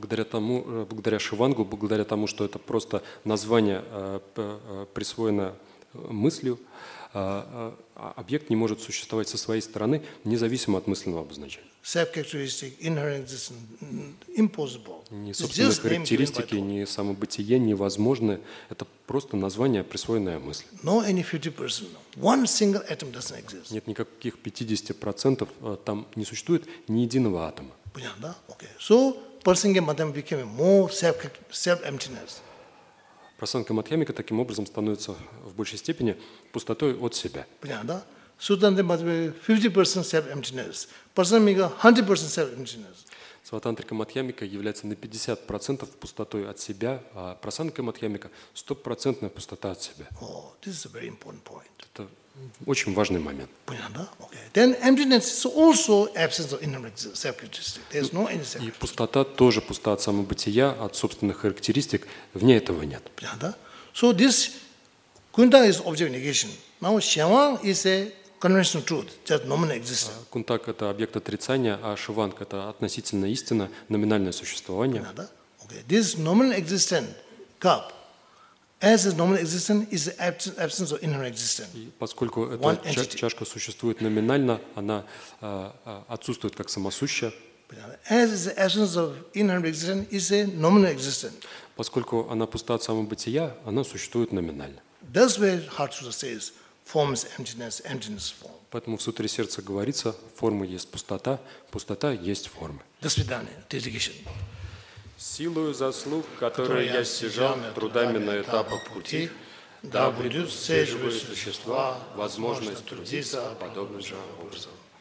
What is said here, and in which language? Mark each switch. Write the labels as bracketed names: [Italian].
[Russian] Благодаря Шивангу, благодаря тому, что это просто название присвоено мыслью, объект не может существовать со своей стороны, независимо от мысленного обозначения. [English] Self-characteristic, inherent existence, impossible. [Russian] Ни собственные характеристики, ни самобытие невозможны. Это просто название, присвоенное мысли. [English] No any 50%. One single atom doesn't exist. [Russian] Нет никаких 50%, там не существует ни единого атома. Понятно, да? Okay. [English] So, Prasangya Madhyamika became more self-emptiness. [Russian] Прасангья Мадхьямика таким образом становится в большей степени пустотой от себя. Понятно, да? [English] Суттантри Мадхьямика 50% self-emptiness. Прасангья 100% self-emptiness. [Russian] Сватантрика Мадхьямика является на 50% пустотой от себя, а Прасангья Мадхьямика 100% пустота от себя. [English] Oh, this is a very important point. [Russian] Это очень важный момент. Понятно, да? Okay. [English] Then emptiness is also absence of inherent self-characteristic. There's no any self-characteristic. [Russian] И пустота тоже пуста от самобытия, от собственных характеристик. В ней этого нет. Понятно, да? [English] So this Kundang is object negation. Now Shivang is a conventional truth, just nominal existence. [Russian] Кунтак – это объект отрицания, а Шиванг – это относительная истина, номинальное существование. Понятно, да? Okay. [English] This nominal existent cup, as is nominal existent, is the absence of inherent existence. [Russian] И поскольку эта чашка существует номинально, она отсутствует как самосущая. [English] As is the absence of inherent existence, is a nominal existence. [Russian] Поскольку она пуста от самобытия, она существует номинально. [English] That's where Heart Sutra says, form is emptiness, emptiness form. [Russian] Поэтому в Сутре Сердца говорится, форма есть пустота, пустота есть форма. До свидания. Dedication. Силою заслуг, которые я стяжал трудами на этапах пути, да будут все живые существа возможность трудиться подобным же образом.